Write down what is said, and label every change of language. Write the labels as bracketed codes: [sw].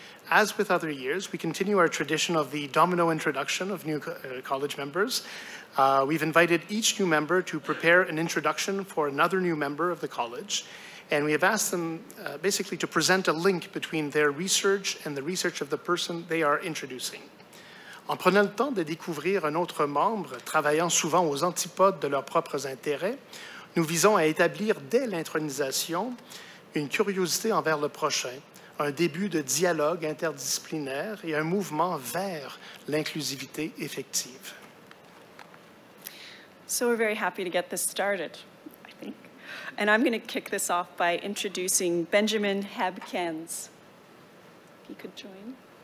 [en] As with other years, we continue our tradition of the domino introduction of new college members. We've invited each new member to prepare an introduction for another new member of the college, and we have asked them basically to present a link between their research and the research of the person they are introducing. [fr] En prenant le temps de découvrir un autre membre, travaillant souvent aux antipodes de leurs propres intérêts, nous visons à établir dès l'intronisation une curiosité envers le prochain, un début de dialogue interdisciplinaire et un mouvement vers l'inclusivité effective. [en] So we're very happy to get this started, I think. And I'm going to kick this off by introducing Benjamin Hebkens. If he could join.